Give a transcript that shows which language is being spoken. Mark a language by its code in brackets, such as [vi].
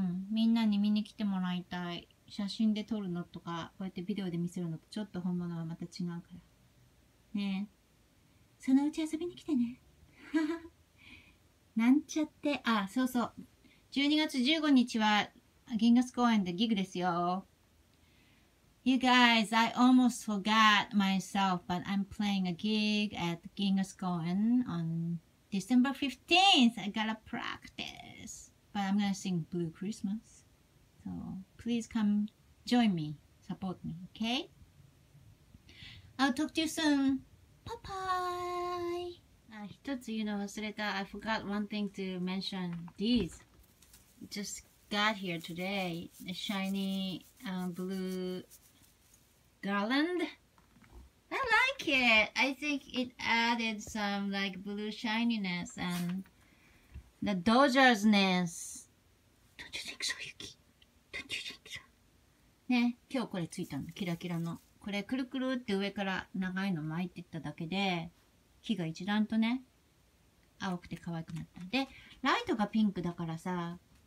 [ja] みんなに見に来てもらいたい。写真で撮るのとか、こうやってビデオで見せるのとちょっと本物はまた違うから。ねえ。そのうち遊びに来てね。なんちゃって。あ、そうそう。 12月15日は銀河津公園でギグですよ。 [en] You guys, I almost forgot myself, but I'm playing a gig at Ginga's Koan on December 15th. I gotta practice, but I'm gonna sing Blue Christmas. So please come join me, support me, okay? I'll talk to you soon. Bye-bye! [ja] 一つ言うの忘れた。 [en] I forgot one thing to mention. These. Just got here today. A shiny blue garland. I like it. I think it added some like blue shininess and the Dodgers-ness. Don't you think so, Yuki? [ja] ね、今日これついたの、キラキラの。これくるくるって上から長いの巻いてっただけで、木が一段とね、青くて可愛くなった。で、ライトがピンクだからさ。